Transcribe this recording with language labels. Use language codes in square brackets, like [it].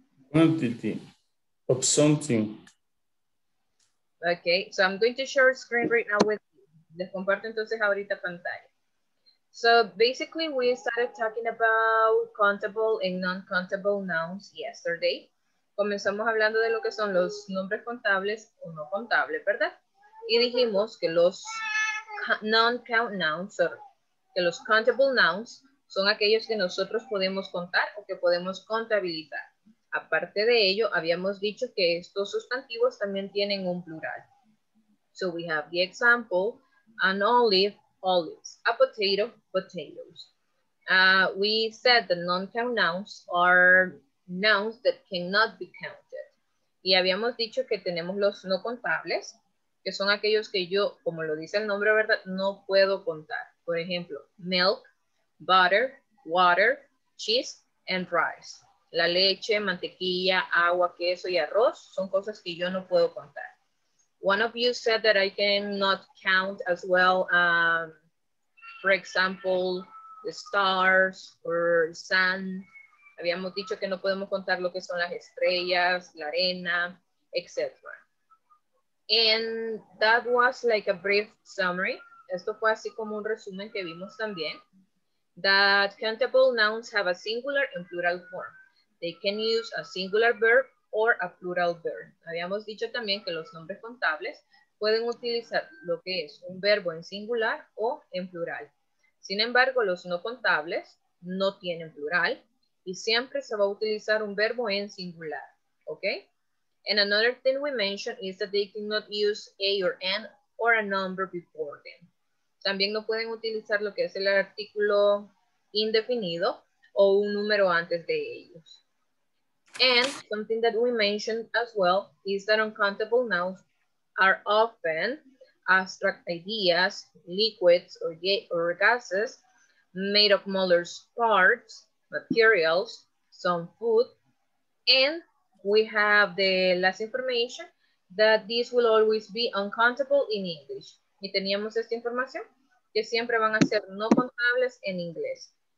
[en] quantity of something. Okay, so I'm going to share a screen right now with you. [es] Les comparto entonces ahorita pantalla. [en] So basically, we started talking about countable and non-countable nouns yesterday. [es] Comenzamos hablando de lo que son los nombres contables o no contables, ¿verdad? Y dijimos que los non-count nouns, que los countable nouns, son aquellos que nosotros podemos contar o que podemos contabilizar. Aparte de ello, habíamos dicho que estos sustantivos también tienen un plural. [en] So we have the example, an olive, olives. A potato, potatoes. We said the non-count nouns are nouns that cannot be counted. [es] Y habíamos dicho que tenemos los no contables, que son aquellos que yo, como lo dice el nombre, ¿verdad?, no puedo contar. Por ejemplo, [en] milk, butter, water, cheese, and rice. [es] La leche, mantequilla, agua, queso y arroz son cosas que yo no puedo contar. [en] One of you said that I cannot count as well, for example, the stars or sun. [es] Habíamos dicho que no podemos contar lo que son las estrellas, la arena, etc. [en] And that was like a brief summary. [es] Esto fue así como un resumen que vimos también. [en] That countable nouns have a singular and plural form. They can use a singular verb or a plural verb. [es] Habíamos dicho también que los nombres contables pueden utilizar lo que es un verbo en singular o en plural. Sin embargo, los no contables no tienen plural. Y siempre se va a utilizar un verbo en singular, okay? [en] And another thing we mentioned is that they cannot use a or an or a number before them. [es] También no pueden utilizar lo que es el artículo indefinido o un número antes de ellos. [en] And something that we mentioned as well is that uncountable nouns are often abstract ideas, liquids or gases made of molar parts, materials, some food, and we have the last information that this will always be uncountable in English. [es] Y teníamos esta información que siempre van a ser no contables en inglés.